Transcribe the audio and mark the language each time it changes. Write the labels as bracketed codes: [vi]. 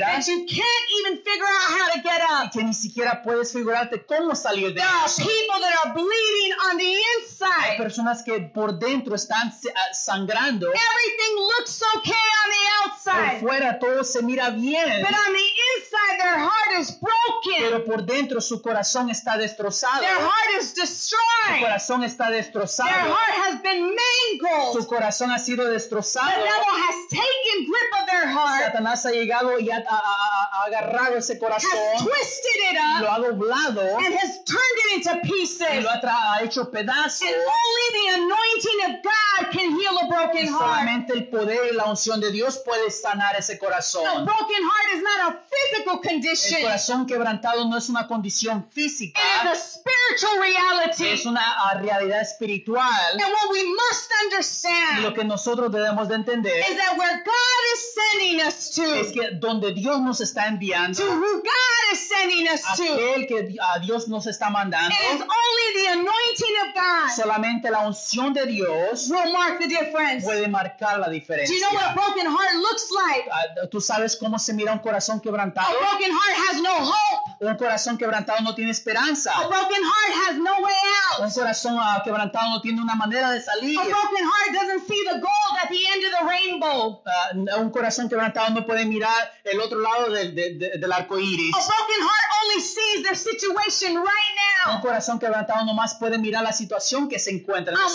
[en] That you can't even figure out how to get up. [es] Que ni siquiera puedes figurarte cómo salir de eso. [en] There are people that are bleeding on the inside. [es] Hay personas que por dentro están sangrando. [en] Everything looks so okay on the outside. [es] Por fuera todo se mira bien. [en] But on the inside their heart is broken. [es] Pero por dentro su corazón está destrozado. [en] Their heart is destroyed. [es] Su corazón está destrozado. [en] Their heart has been mangled. [es] Su corazón ha sido destrozado. [en] The devil has taken grip of their heart. [es] Satanás ha llegado y ha agarrado ese corazón. [en] Has twisted it up. [es] Lo ha doblado. [en] And has turned it into pieces. [es] Y lo ha hecho pedazos. [en] And only the anointing of God can heal a broken heart. [es] Solamente el poder y la unción de Dios puede sanar ese corazón. [en] A broken heart is not a physical condition. [es] El corazón quebrantado no es una condición física. [en] It is a spiritual reality. [es] Es una realidad espiritual. [en] And what we must understand. [es] Lo que nosotros debemos de entender. [en] Is that where God is sending us to. [es] Es que donde Dios nos está enviando. [en] To who God is sending us to. [es] Aquel que a Dios nos está mandando. [en] It is only the anointing of God. [es] Solamente la unción de Dios. [en] Will mark the difference. [es] Puede marcar la diferencia. [en] Do you know what a broken heart looks like? [es] ¿Tú sabes cómo se mira un corazón quebrantado? [en] A broken heart has no hope. [es] Un corazón quebrantado no tiene esperanza. [en] A broken heart has no way out. [es] Un corazón quebrantado no tiene una manera de salir. [en] A broken heart doesn't see the gold at the end of the rainbow. [es] Un corazón quebrantado no puede mirar el otro lado del arco iris. [en] A broken heart only sees their situation right now. [es] Un corazón quebrantado no más puede mirar la situación que se encuentra.